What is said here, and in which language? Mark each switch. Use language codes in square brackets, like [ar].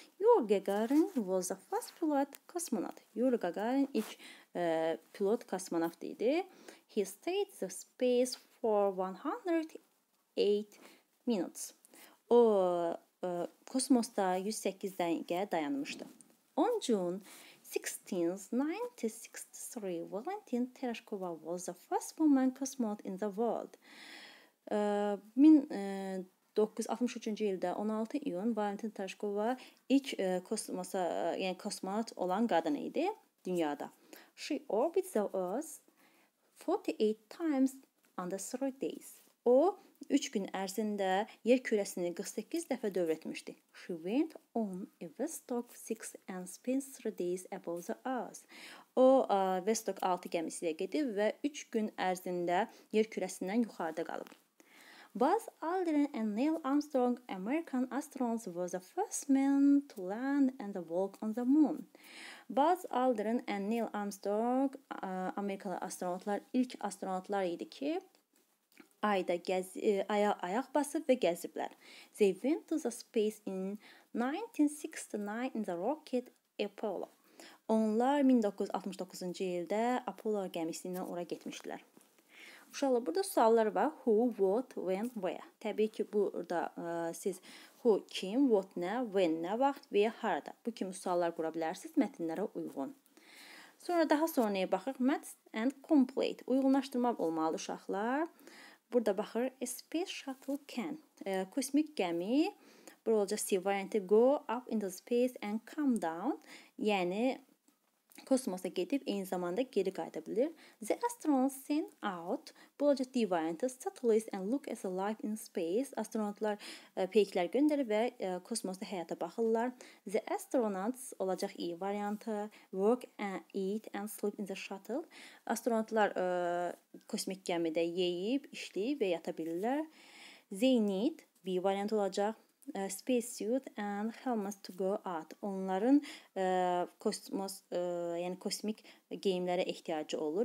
[az] Yuri Gagarin was the first pilot cosmonaut. Yuri Gagarin ilk pilot kosmonaut idi. [en] He stayed the space for 108 minutes. [az] O kosmosda 108 dəqiqə dayanmışdı. [en] On June 16, 1963, Valentina Tereshkova was the first woman cosmonaut in the world. [az] 1963-cü ildə 16 iyun Valentina Tereshkova ilk kosmosa, yəni kosmonaut olan qadın idi dünyada. [en] She orbits the Earth 48 times under 3 days. [az] O 3 gün ərzində yer kürəsini 48 dəfə dövr etmişdi. [en] She went on a Vostok 6 and spent 3 days above the Earth. [az] O Vostok 6 gəmisi ilə gedib və 3 gün ərzində yer kürəsindən yuxarıda qalıb. [en] Buzz Aldrin and Neil Armstrong, American astronauts, were the first men to land and walk on the moon. [az] Buzz Aldrin and Neil Armstrong, Amerikalı astronautlar ilk astronautlar idi ki, ayda ayaq basıb və gəziblər. [en] They went to the space in 1969 in the rocket Apollo. [az] Onlar 1969-cu ildə Apollo gəmisi ilə ora getmişdilər. Uşaqlar, burada suallar var. [en] Who, what, when, where? [az] Təbii ki, burada siz who, kim, what, nə, when, nə vaxt, where, harada? Bu kimi suallar qura bilərsiniz mətnlərə uyğun. Sonra daha sonra nəyə baxıq? [en] Match and complete. [az] Uyğunlaşdırma olmalı uşaqlar. Burada baxır. [en] A space shuttle can. [az] Kosmik gəmi. Burada olacaq C variantı. [en] Go up into space and come down. [az] Yəni, kosmosa gedib eyni zamanda geri qayıda bilir. [en] The astronauts sent out, [az] bu olacaq D variantı, [en] satellites and look at the life in space. [az] Astronautlar peyklər göndərir və kosmosda həyata baxırlar. [en] The astronauts [az] olacaq E variantı, [en] work and eat and sleep in the shuttle. [az] Astronautlar kosmik gəmidə yeyib, işləyib və yata bilirlər. [en] They need, [az] B variantı olacaq. [en] Space suit and helmets to go out. [az] Onların yəni kosmik geyimlərə ehtiyacı olur.